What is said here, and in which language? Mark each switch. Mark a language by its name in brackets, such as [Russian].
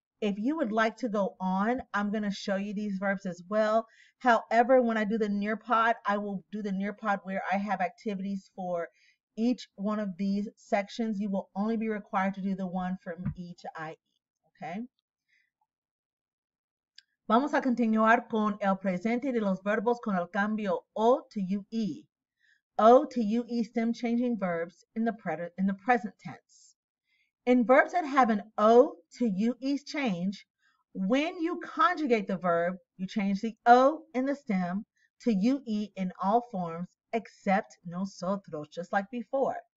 [English] If you would like to go on, I'm going to show you these verbs as well. However, when I do the Nearpod, I will do the Nearpod where I have activities for each one of these sections. You will only be required to do the one from E to IE. Okay. [Spanish] Vamos a continuar con el presente de los verbos con el cambio O to UE. [English] O to UE stem changing verbs in the present tense. In verbs that have an O to UE change, when you conjugate the verb, you change the O in the stem to UE in all forms except nosotros, just like before.